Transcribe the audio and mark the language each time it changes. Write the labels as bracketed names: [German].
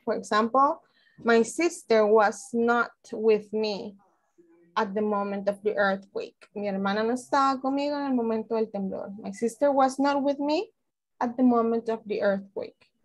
[English] For example, my sister was not with me at the moment of the earthquake. [Spanish] Mi hermana no estaba conmigo en el momento del temblor. [English] My sister was not with me at the moment of the earthquake.